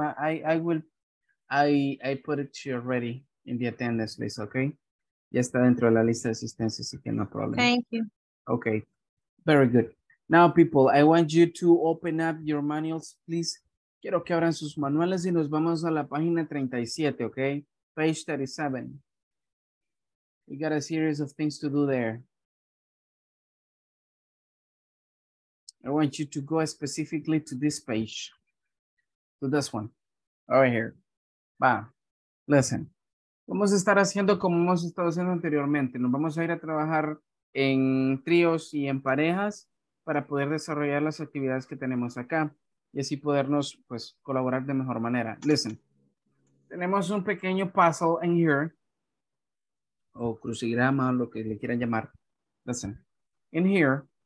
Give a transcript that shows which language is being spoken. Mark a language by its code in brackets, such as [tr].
[en] I put it to you already in the attendance list, okay? [es] Ya está dentro de la lista de asistencia, así que [en] no problem. Thank you. Okay. Very good. Now, people, I want you to open up your manuals, please. [es] Quiero que abran sus manuales y nos vamos a la página 37, okay? [en] Page 37. We got a series of things to do there. I want you to go specifically to this page, to this one, right here. Va, listen. [es] Vamos a estar haciendo como hemos estado haciendo anteriormente. Nos vamos a ir a trabajar en tríos y en parejas para poder desarrollar las actividades que tenemos acá y así podernos, pues, colaborar de mejor manera. Listen, tenemos un pequeño puzzle en here, o crucigrama, lo que le quieran llamar. [en] Listen, in here,